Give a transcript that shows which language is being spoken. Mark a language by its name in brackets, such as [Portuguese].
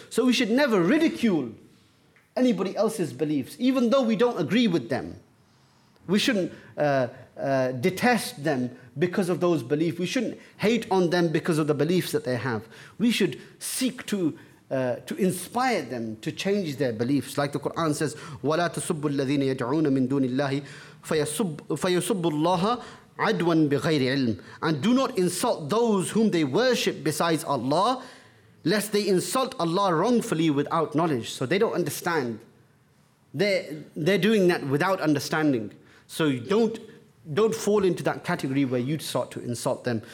[English] So we should never ridicule anybody else's beliefs, even though we don't agree with them. We shouldn't detest them because of those beliefs. We shouldn't hate on them because of the beliefs that they have. We should seek to inspire them to change their beliefs. Like the Quran says, [Arabic] وَلَا تَسُبُّ الَّذِينَ يَدْعُونَ مِن دُونِ اللَّهِ فَيَسُبُّ اللَّهَ عَدْوًا بِغَيْرِ عِلْمٍ. [English] And do not insult those whom they worship besides Allah, lest they insult Allah wrongfully without knowledge. So they don't understand. They're doing that without understanding. So you don't fall into that category where you start to insult them.